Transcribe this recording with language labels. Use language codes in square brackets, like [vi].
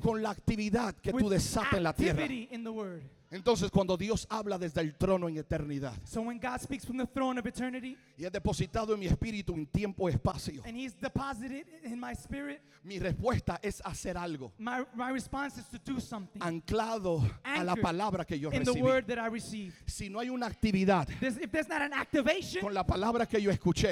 [es] Con la actividad que tú desatas en la tierra. [en] With activity in the word. [es] Entonces cuando Dios habla desde el trono en eternidad. [en] So when God speaks from the throne of eternity. [es] Y es depositado en mi espíritu en tiempo y espacio. [en] And he's deposited in my spirit. [es] Mi respuesta es hacer algo. [en] My response is to do something. [es] Anclado a la palabra que yo recibí. [en] In the word that I receive. [es] Si no hay una actividad. [en] If there's not an activation. [es] Con la palabra que yo escuché.